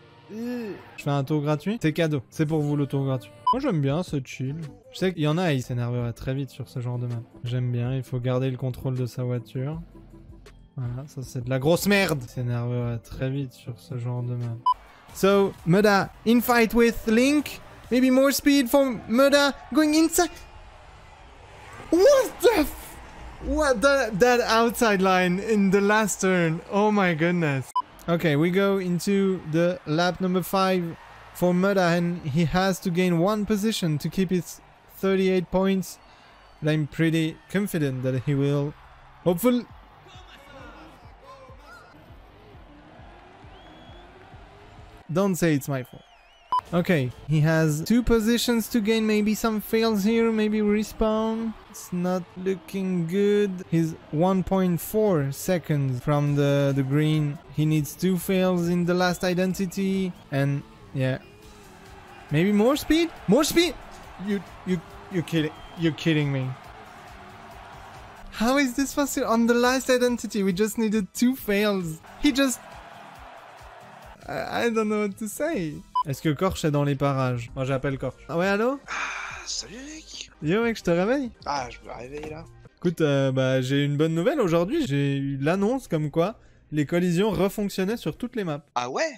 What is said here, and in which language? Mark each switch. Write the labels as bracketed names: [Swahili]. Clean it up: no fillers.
[French] Je fais un tour gratuit, c'est cadeau, c'est pour vous le tour gratuit. Moi j'aime bien, c'est chill. Je sais qu'il y en a, il s'énerverait très vite sur ce genre de map. J'aime bien, il faut garder le contrôle de sa voiture. Voilà, ça c'est de la grosse merde. Il s'énerverait très vite sur ce genre de map. [English] So, Muda, in fight with Link. Maybe more speed for Muda going inside. What the f... What the... That outside line in the last turn. Oh my goodness. Okay, we go into the lap number 5 for Muda, and he has to gain one position to keep his 38 points. But I'm pretty confident that he will. Hopefully. Don't say it's my fault. Okay, he has two positions to gain, maybe some fails here, maybe respawn. It's not looking good. He's 1.4 seconds from the green. He needs two fails in the last identity. And yeah, maybe more speed? More speed? You're kidding me. How is this possible? On the last identity, we just needed two fails. He just... I don't know what to say. [French] Est-ce que Korch est dans les parages? Moi j'appelle Korch. Ah ouais, allô? Ah, salut mec! Yo mec, je te réveille? Ah, je me réveille là. Écoute, j'ai une bonne nouvelle aujourd'hui, j'ai eu l'annonce comme quoi les collisions refonctionnaient sur toutes les maps. Ah ouais?